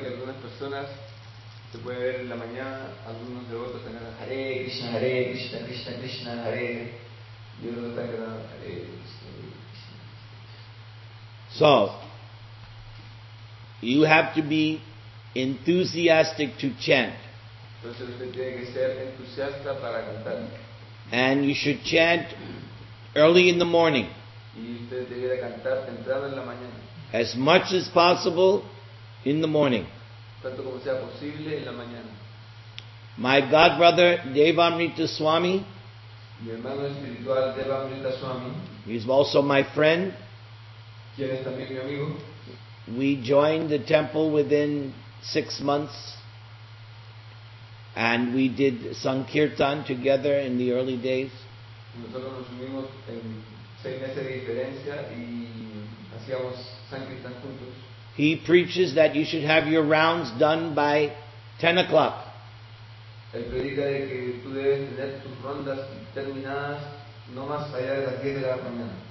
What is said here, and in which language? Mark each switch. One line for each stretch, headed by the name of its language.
Spanish: Que algunas personas se puede ver en la mañana, algunos devotos están cantando Hare Krishna, Hare Krishna, Krishna Krishna, Hare. Y otros están cantando Hare Krishna, Krishna
English: Krishna. So, you have to be enthusiastic to chant.
Spanish: Entonces usted tiene que ser entusiasta para cantar.
English: And you should chant early in the morning.
Spanish: Y usted debería cantar temprano en la mañana.
English: As much as possible in the morning.
Spanish: Tanto como sea posible en la mañana.
English: My godbrother Devamrita Swami.
Spanish: Mi hermano espiritual Devamrita Swami.
English: He is also my friend.
Spanish: ¿Quién es también mi amigo?
English: We joined the temple within 6 months. And we did Sankirtan together in the early days.
Spanish: Nosotros nos unimos en 6 meses de diferencia y hacíamos Sankirtan juntos.
English: He preaches that you should have your rounds done by 10 o'clock.
Spanish: Él predica de que tú debes tener tus rondas terminadas no más allá de las 10 de la mañana.